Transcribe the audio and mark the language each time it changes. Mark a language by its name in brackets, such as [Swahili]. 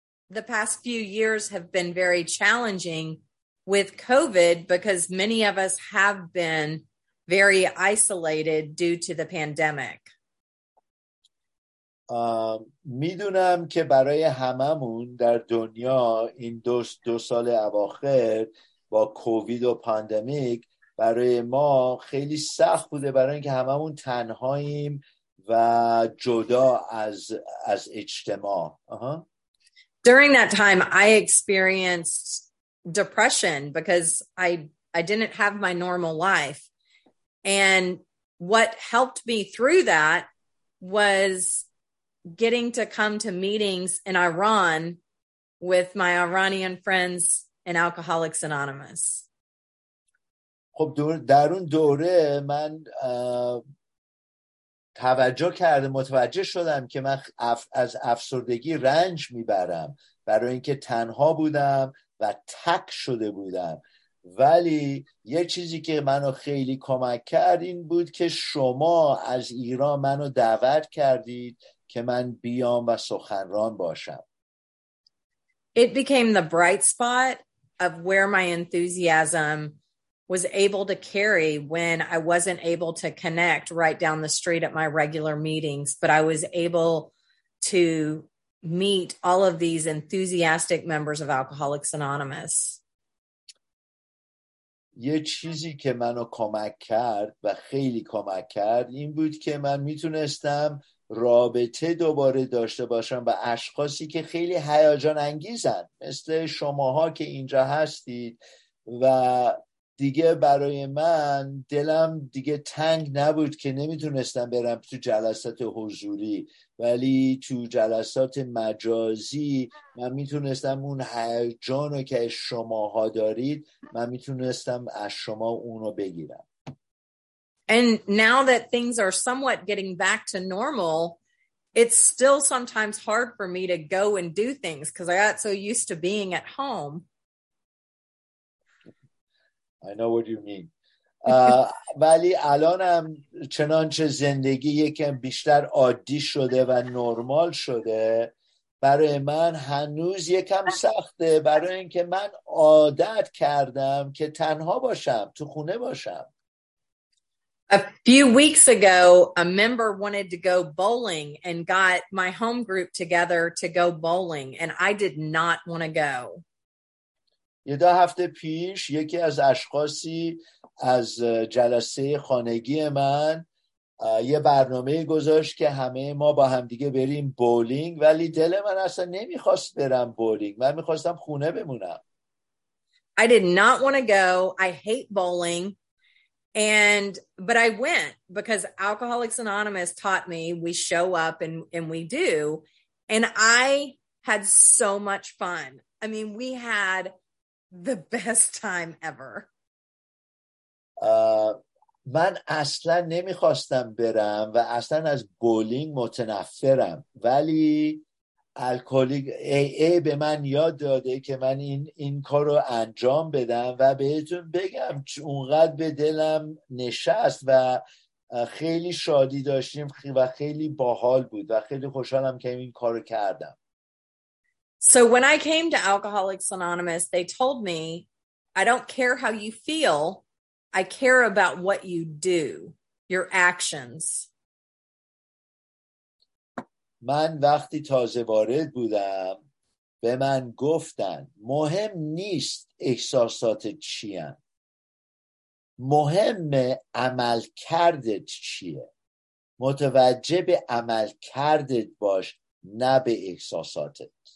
[English] The past few years have been very challenging with COVID because many of us have been very isolated due to the pandemic. [Persian] میدونم که برای هممون در دنیا این دو سال اواخر با کووید و پاندمیک برای ما خیلی سخت بوده، برای اینکه هممون تنهاییم و جدا از اجتماع. [English] During that time I experienced depression because I didn't have my normal life, and what helped me through that was getting to come to meetings in Iran with my Iranian friends in Alcoholics Anonymous. [Persian] خب در اون دوره من توجه کردم، متوجه شدم که من از افسردگی رنج میبرم، برای اینکه تنها بودم و تک شده بودم. ولی یه چیزی که منو خیلی کمک کرد این بود که شما از ایران منو دعوت کردید که من بیام و سخنران باشم. [English] It became the bright spot of where my enthusiasm was able to carry when I wasn't able to connect right down the street at my regular meetings, but I was able to meet all of these enthusiastic members of Alcoholics Anonymous. [Persian] یه چیزی که منو کمک کرد و خیلی کمک کرد این بود که من میتونستم رابطه دوباره داشته باشم با اشخاصی که خیلی هیجان انگیزن، مثل شماها که اینجا هستید، و دیگه برای من دلم دیگه تنگ نبود که نمیتونستم برم تو جلسات حضوری، ولی تو جلسات مجازی من میتونستم اون هیجان رو که شماها دارید، من میتونستم از شما اونو بگیرم. [English] And now that things are somewhat getting back to normal, it's still sometimes hard for me to go and do things because I got so used to being at home. I know what you mean. [Persian] ولی الانم چنانچه زندگی یکم بیشتر عادی شده و نرمال شده برای من هنوز یکم سخته برای اینکه من عادت کردم که تنها باشم تو خونه باشم. [English] A few weeks ago, a member wanted to go bowling and got my home group together to go bowling, and I did not want to go. [Persian] یه دو هفته پیش یکی از اشخاصی از جلسه خانگی من یه برنامه گذاشت که همه ما با همدیگه بریم بولینگ ولی دل من اصلا نمیخواست برم بولینگ. من میخواستم خونه بمونم. [English] I did not want to go. I hate bowling. But I went because Alcoholics Anonymous taught me we show up and we do. And I had so much fun. I mean, we had the best time ever. [Persian] من اصلا نمیخواستم برم و اصلا از بولینگ متنفرم ولی الکلی ای به من یاد داده که من این کار رو انجام بدم و بهتون بگم اونقدر به دلم نشست و خیلی شادی داشتیم و خیلی باحال بود و خیلی خوشحالم که این کار رو کردم. [English] So when I came to Alcoholics Anonymous, they told me, I don't care how you feel, I care about what you do, your actions. [Persian] من وقتی تازه وارد بودم به من گفتن مهم نیست احساسات چیه، مهم عمل کردت چیه. متوجه به عمل کردت باش نه به احساساتت.